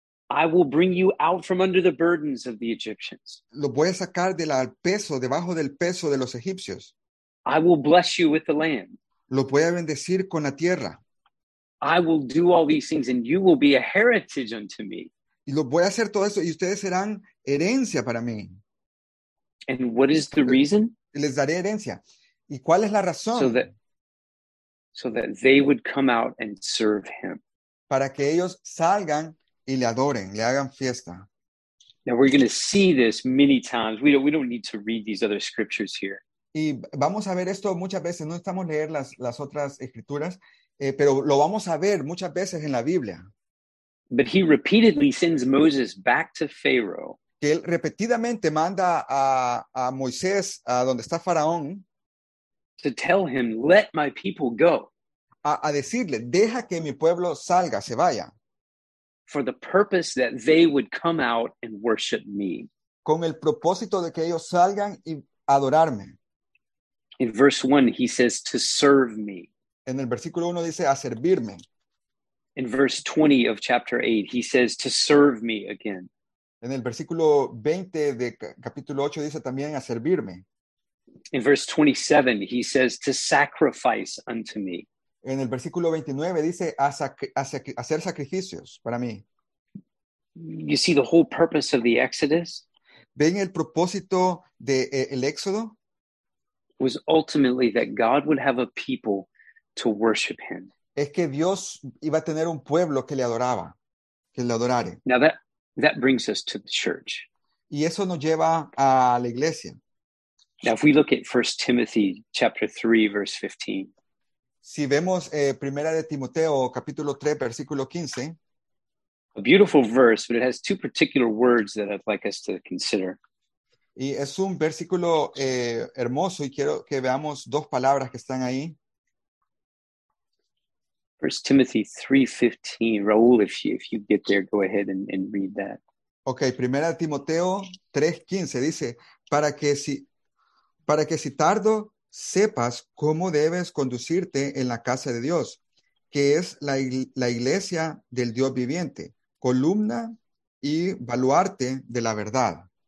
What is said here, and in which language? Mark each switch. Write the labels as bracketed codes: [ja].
[en] I will bring you out from under the burdens of the Egyptians. [es] Lo voy a sacar del peso, debajo del peso de los egipcios. [en] I will bless you with the land. [es] Lo voy a bendecir con la tierra. [en] I will do all these things and you will be a heritage unto me. [es] Y lo voy a hacer todo eso y ustedes serán herencia para mí. [en] And what is the reason? [es] Les daré herencia. ¿Y cuál es la razón? [en] So that they would come out and serve him. [es] Para que ellos salgan y le adoren, le hagan fiesta. [en] Now we're going to see this many times. We don't need to read these other scriptures here. [es] Y vamos a ver esto muchas veces. No necesitamos leer las otras escrituras, pero lo vamos a ver muchas veces en la Biblia. [en] But he repeatedly sends Moses back to Pharaoh. [es] que él repetidamente manda a Moisés a donde está Faraón [en] to tell him, "Let my people go." [es] A decirle, deja que mi pueblo salga, se vaya. [en] For the purpose that they would come out and worship me. [es] Con el propósito de que ellos salgan y adorarme. [en] In verse 1, he says, to serve me. [es] En el versículo 1 dice, a servirme. [en] In verse 20 of chapter 8, he says, to serve me again. [es] En el versículo 20 de capítulo 8 dice también, a servirme. [en] In verse 27, he says, to sacrifice unto me. [es] En el versículo 29 dice, hacer sacrificios para mí. [en] You see the whole purpose of the Exodus? [es] ¿Ven el propósito de el Éxodo? [en] Was ultimately that God would have a people to worship him. [es] Es que Dios iba a tener un pueblo que le adoraba, que le adorare. [en] Now that brings us to the church. [es] Y eso nos lleva a la iglesia. [en] Now if we look at 1 Timothy chapter 3 verse 15. [es] Si vemos Primera de Timoteo, capítulo 3, versículo 15. [en] A beautiful verse, but it has two particular words that I'd like us to consider. [es] Y es un versículo hermoso y quiero que veamos dos palabras que están ahí. [en] 1 Timothy 3:15. Raúl, if you get there, go ahead and read that. [es] Okay, Primera de Timoteo 3:15 dice, para que si tardo, sepas cómo debes conducirte en la casa de Dios, que es la iglesia del Dios viviente, columna y baluarte de la verdad.